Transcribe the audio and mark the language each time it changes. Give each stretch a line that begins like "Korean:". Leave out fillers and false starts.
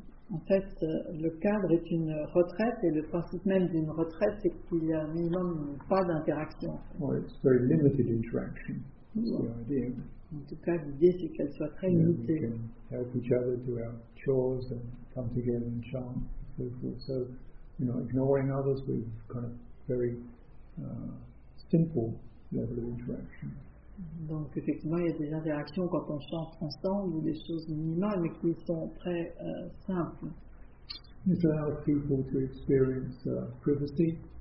French: En fait, le cadre est une retraite, et le principe même d'une retraite, c'est qu'il y a minimum pas d'interaction.
English: Well, it's very limited interaction.
French: En tout cas, l'idée, c'est qu'elle soit très limitée.
English: We can help each other do our chores and come together and chant and so forth. So, you know, ignoring others, we've kind of very simple level of interaction.
French: Donc, effectivement, il y a des interactions quand on chante ensemble, ou des choses minimales, mais qui sont très simples.
English: It allows people to experience privacy.